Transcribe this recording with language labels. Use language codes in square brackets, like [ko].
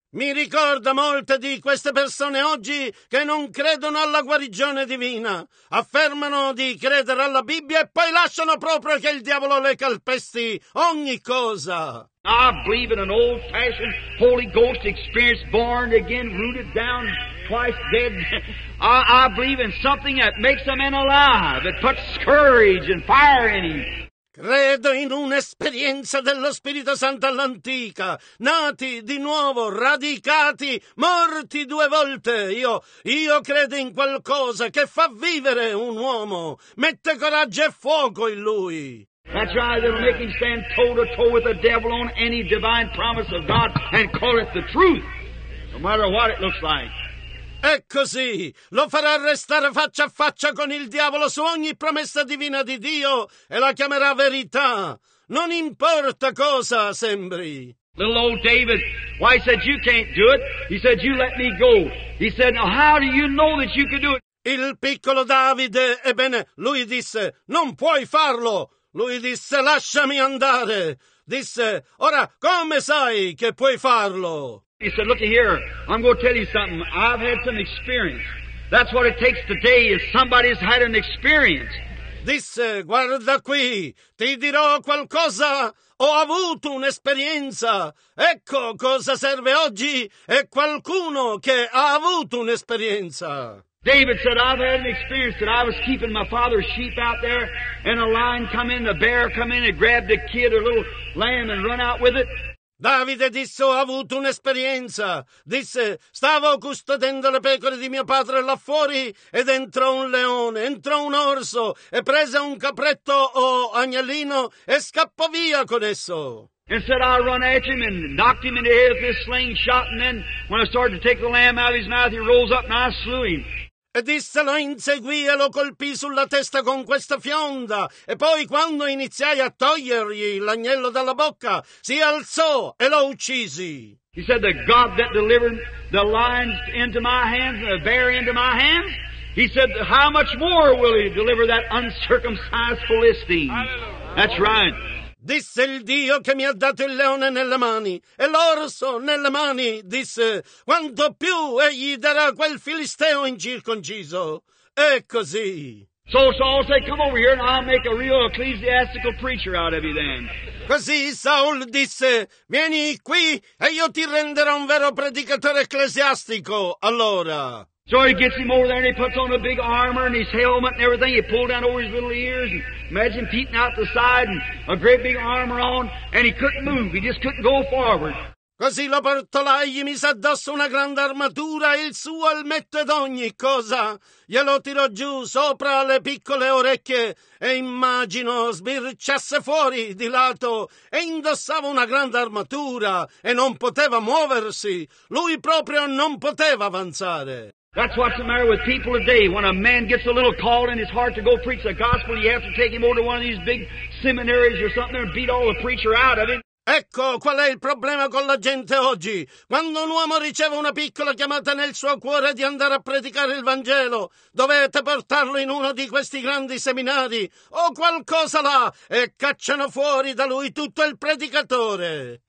[it] Mi ricorda molte di queste persone oggi che non credono alla guarigione divina. Affermano di credere alla Bibbia e poi lasciano proprio che il diavolo le calpesti ogni cosa. [en] I believe in an old fashioned Holy Ghost experience, born again, rooted down, twice dead. I believe in something that makes a man alive, that puts courage and fire in him. [it] Credo in un'esperienza dello Spirito Santo all'antica, nati di nuovo, radicati, morti due volte. Io credo in qualcosa che fa vivere un uomo, mette coraggio e fuoco in lui. [en] That's right, it'll make him stand toe to toe with the devil on any divine promise of God and call it the truth, no matter what it looks like. [it] E così lo farà restare faccia a faccia con il diavolo su ogni promessa divina di Dio e la chiamerà verità, non importa cosa sembri. [en] Little old David, why he said you can't do it? He said you let me go. He said, now how do you know that you can do it? [it] Il piccolo Davide, ebbene, lui disse, non puoi farlo. Lui disse, lasciami andare. Disse, ora come sai che puoi farlo? [en] He said, look here, I'm going to tell you something. I've had some experience. That's what it takes today, is somebody's had an experience. [it] Disse, guarda qui, ti dirò qualcosa. Ho avuto un'esperienza. Ecco cosa serve oggi. È qualcuno che ha avuto un'esperienza. [en] David said, I've had an experience that I was keeping my father's sheep out there, and a lion come in, a bear come in, and grabbed a kid, a little lamb, and run out with it. [it] Davide disse, ho avuto un'esperienza. Disse, stavo custodendo le pecore di mio padre là fuori, ed entrò un leone, entrò un orso, e prese un capretto o agnellino, e scappò via con esso. [en] And said, I'll run at him and knocked him in the head with this slingshot, and then when I started to take the lamb out of his mouth, he rose up and I slew him. [it] E disse, lo inseguì e lo colpì sulla testa con questa fionda. E poi quando iniziai a togliergli l'agnello dalla bocca, si alzò e lo uccisi. [en] He said, the God that delivered the lions into my hands, the bear into my hands, he said, how much more will he deliver that uncircumcised Philistine? That's right. [it] Disse il Dio che mi ha dato il leone nelle mani e l'orso nelle mani, disse, quanto più egli darà quel filisteo incirconciso. E così. [en] So Saul said, come over here and I'll make a real ecclesiastical preacher out of you then. [it] Così Saul disse, vieni qui e io ti renderò un vero predicatore ecclesiastico allora. [en] So he gets him over there and he puts on a big armor and his helmet and everything. He pulled down over his little ears and imagine peeking out the side and a great big armor on and he couldn't move. He just couldn't go forward. [it] Così lo portò là e gli mise addosso una grande armatura, il suo elmetto ed ogni cosa. Glielo tirò giù sopra le piccole orecchie e immagino sbirciasse fuori di lato e indossava una grande armatura e non poteva muoversi. Lui proprio non poteva avanzare. [en] That's what's the matter with people today. When a man gets a little call in his heart to go preach the gospel, you have to take him over to one of these big seminaries or something and beat all the preacher out of it. [it] Ecco qual è il problema con la gente oggi. Quando un uomo riceve una piccola chiamata nel suo cuore di andare a predicare il Vangelo, dovete portarlo in uno di questi grandi seminari o qualcosa là e cacciano fuori da lui tutto il predicatore.